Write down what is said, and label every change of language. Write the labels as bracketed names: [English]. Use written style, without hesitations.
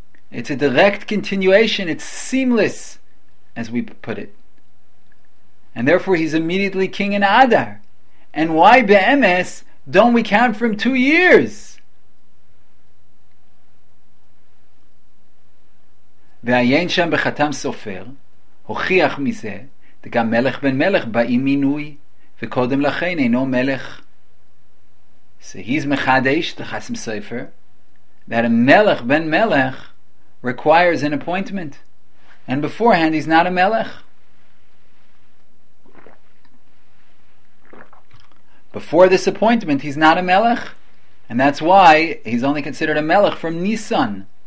[English] It's a direct continuation. It's seamless, as we put it. And therefore, he's immediately king in Adar. And why Be'emes don't we count from 2 years? [Hebrew] Ve'ayen Sham Bechatam Sofer Hochiach Mizeh וגם מלך בן מלך באים מינוי וקודם לכן אינו מלך. [English] So he's מחדש the Chasam Sofer that a מלך בן מלך requires an appointment, and beforehand he's not a מלך. Before this appointment he's not a מלך, and that's why he's only considered a מלך from Nisan.